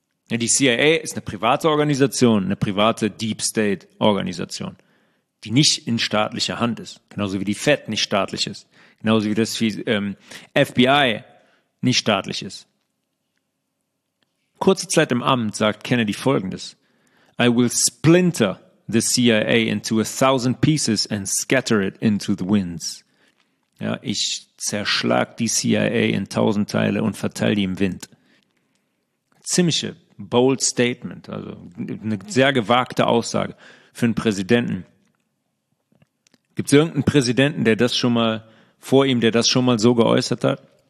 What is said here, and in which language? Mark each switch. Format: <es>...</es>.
<de>Die CIA ist eine private Organisation, eine private Deep State-Organisation, die nicht in staatlicher Hand ist. Genauso wie die Fed nicht staatlich ist. Genauso wie das FBI nicht staatlich ist. Kurze Zeit im Amt sagt Kennedy Folgendes.</de> <en>I will splinter the CIA into 1,000 pieces and scatter it into the winds.</en> <de>Ja, ich zerschlag die CIA in 1,000 Teile und verteile die im Wind. Ziemliche</de> <en>bold statement.</en> <de>Also eine sehr gewagte Aussage für einen Präsidenten. Gibt es irgendeinen Präsidenten, der das schon mal so geäußert hat?</de>